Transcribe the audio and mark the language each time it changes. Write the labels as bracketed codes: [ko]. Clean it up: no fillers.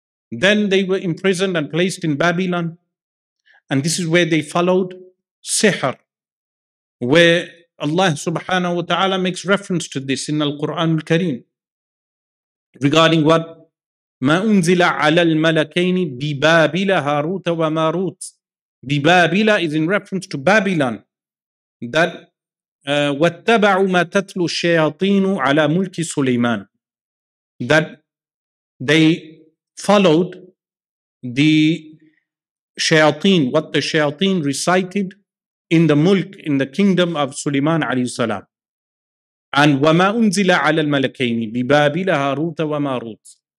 [en] Then they were imprisoned and placed in Babylon. And this is where they followed sihr, where Allah subhanahu wa ta'ala makes reference to this in Al-Quran Al-Kareem, regarding what? [ar] مَا أُنزِلَ عَلَى الْمَلَكَيْنِ بِبَابِلَ هَارُوتَ وَمَارُوتَ. [en] بِبَابِلَ is in reference to Babylon. [ar] That وَاتَّبَعُوا مَا تَتْلُوا الشَّيَاطِينُ عَلَى مُلْكِ سُلَيْمَانَ. [en] That they followed the shayateen, what the shayateen recited in the mulk, in the kingdom of Suleiman alayhi salam. [ar] And وَمَا أُنزِلَ عَلَى الْمَلَكَيْنِ بِبَابِلَ هَارُوتَ وَمَارُوتَ.